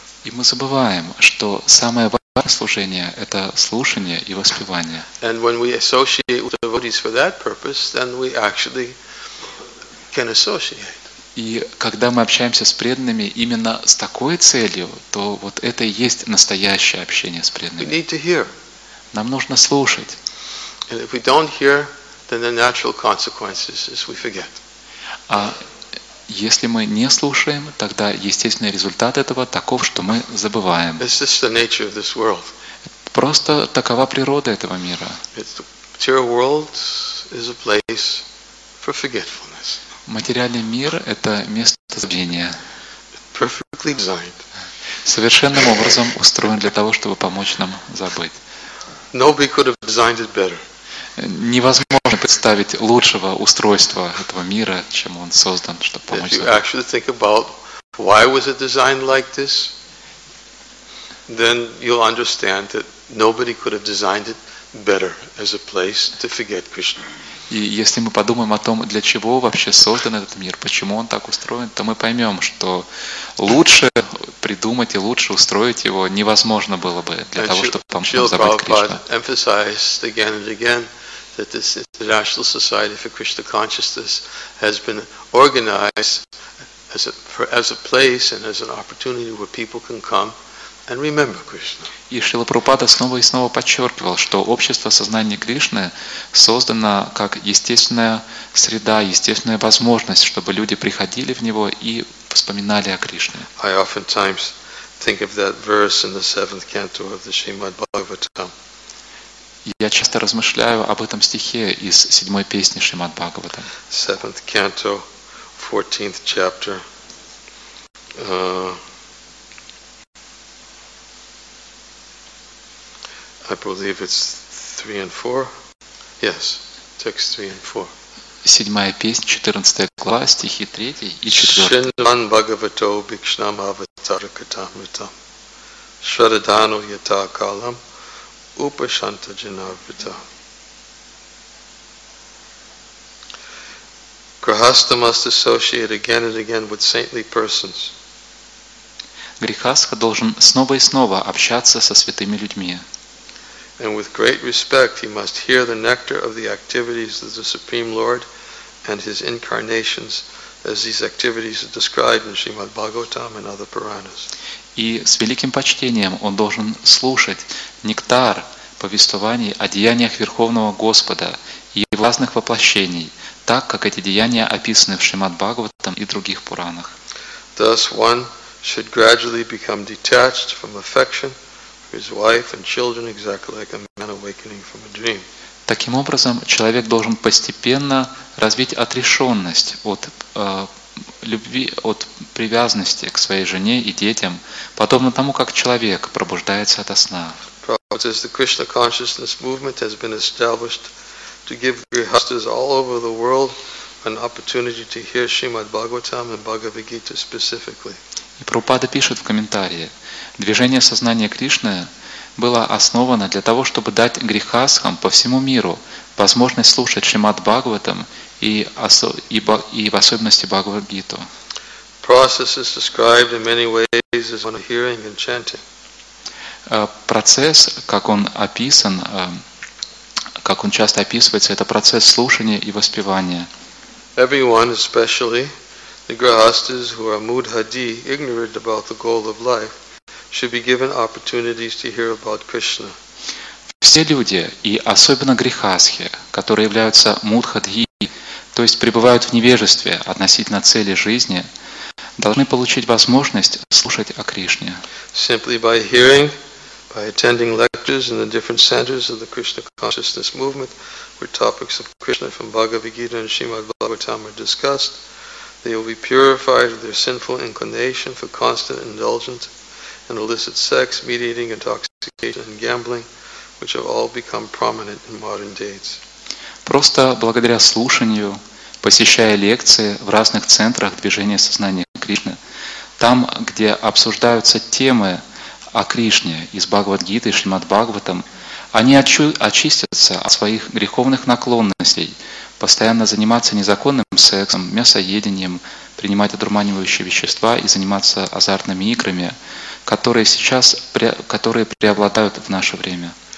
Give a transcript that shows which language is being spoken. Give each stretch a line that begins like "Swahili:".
Russian: И мы забываем, что самое важное служение — это слушание и воспевание.
English: And when we associate with devotees for that purpose, then we actually can associate.
Russian: И когда мы общаемся с преданными именно с такой целью, то вот это и есть настоящее общение с преданными.
English: We need to hear.
Russian: Нам нужно слушать.
English: And if we don't hear, then the natural consequences is we forget.
Russian: А если мы не слушаем, тогда естественный результат этого таков, что мы забываем.
English: It's just the nature of this world.
Russian: Просто такова природа этого мира.
English: The material world is a place for forgetfulness.
Russian: Материальный мир — это место забвения.
English: Perfectly designed.
Russian: Совершенным образом устроен для того, чтобы помочь нам забыть.
English: Nobody could have designed it better.
Russian: Невозможно представить лучшего устройства этого мира, чем он создан, чтобы помочь.
English: If you actually think about why was it designed like this, then you'll understand that nobody could have designed it better as a place to forget Krishna.
Russian: И если мы подумаем о том, для чего вообще создан этот мир, почему он так устроен, то мы поймем, что лучше придумать и лучше устроить его невозможно было бы для того, чтобы помочь нам забыть Кришну.
English: Prabhupada emphasized again and again that this International Society for Krishna Consciousness has been organized as a place and as an opportunity where people can come and remember Krishna.
Russian: И Шрила Прабхупада снова и снова подчеркивал, что общество сознания Кришны создано как естественная среда, естественная возможность, чтобы люди приходили в него и вспоминали о Кришне.
English: I oftentimes think of that verse in the seventh canto of the Srimad Bhagavatam.
Russian: Я часто размышляю об этом стихе из седьмой песни Шримад Бхагаватам.
English: Seventh canto, 14th chapter. I believe it's 3 and 4. Yes, text 3 and 4.
Russian: Седьмая песня, 14 глава, стихи 3 и 4.
Sanskrit: Шриман Бхагавато Бикшнам Аватаракатам Ритам Шрадану Ята Калам Upashanta Janavita.
English: Grihastha must associate again and again with saintly persons.
Russian: Grihastha должен снова и снова общаться со святыми людьми.
English: And with great respect he must hear the nectar of the activities of the Supreme Lord and his incarnations as these activities are described in Srimad Bhagavatam and other Puranas.
Russian: И с великим почтением он должен слушать нектар повествований о деяниях Верховного Господа и его разных воплощений, так как эти деяния описаны в Шримад Бхагаватам и других Пуранах.
English: Thus one should gradually become detached from affection for his wife and children, exactly like a man awakening from a dream.
Russian: Таким образом, человек должен постепенно развить отрешенность от любви, от привязанности к своей жене и детям, подобно тому, как человек пробуждается ото сна.
English: Prabhupada says the Krishna consciousness movement has been established to give grihasthas all over the world an opportunity to hear Srimad Bhagavatam and Bhagavad Gita specifically.
Russian: И Прабхупада пишет в комментарии: движение сознания Кришны было основано для того, чтобы дать грихасхам по всему миру возможность слушать Шримад Бхагаватам и в особенности Бхагавад Гиту.
English: Process is described in many ways as one of hearing and chanting.
Russian: процесс, как он описан, как он часто описывается, это процесс слушания и воспевания.
English: Everyone, especially the grihasthas who are mudhadi, ignorant about the goal of life, should be given opportunities to hear about Krishna.
Russian: Все люди, и особенно грихасхи, которые являются мудхадхи, то есть пребывают в невежестве относительно цели жизни, должны получить возможность слушать о Кришне.
English: Simply by hearing, by attending lectures in the different centers of the Krishna consciousness movement, where topics of Krishna from Bhagavad Gita and Srimad Bhagavatam are discussed, they will be purified of their sinful inclination for constant indulgence and illicit sex, meat-eating, intoxication and gambling, which have all become prominent in modern days.
Russian: Просто благодаря слушанию, посещая лекции в разных центрах движения сознания Кришны, там, где обсуждаются темы о Кришне из Бхагавад-гиты и Шримад-Бхагаватам, они очистятся от своих греховных наклонностей, постоянно заниматься незаконным сексом, мясоедением, принимать одурманивающие вещества и заниматься азартными играми, которые преобладают в наше время.